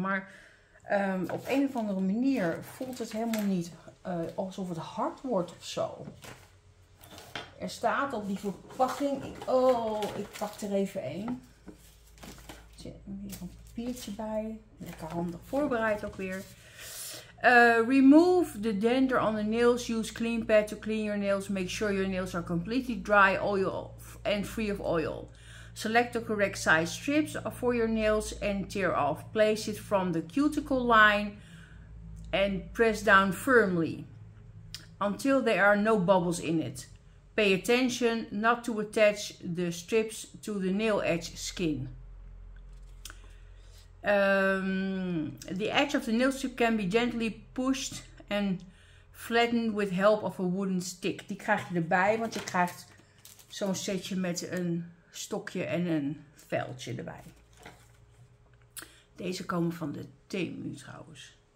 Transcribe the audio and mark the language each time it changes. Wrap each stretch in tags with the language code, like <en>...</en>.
<nl>Maar op een of andere manier voelt het helemaal niet alsof het hard wordt of zo. Er staat op die verpakking. Ik pak er even één. Er zit hier een papiertje bij. Lekker handig voorbereid ook weer.</nl> <en>Remove the dander on the nails. Use clean pad to clean your nails. Make sure your nails are completely dry, oil and free of oil. Select the correct size strips for your nails and tear off. Place it from the cuticle line and press down firmly until there are no bubbles in it. Pay attention not to attach the strips to the nail edge skin. The edge of the nail strip can be gently pushed and flattened with help of a wooden stick.</en> <nl>Die krijg je erbij, want je krijgt zo'n setje met een stokje en een veldje erbij. Deze komen van de Temu trouwens.</nl>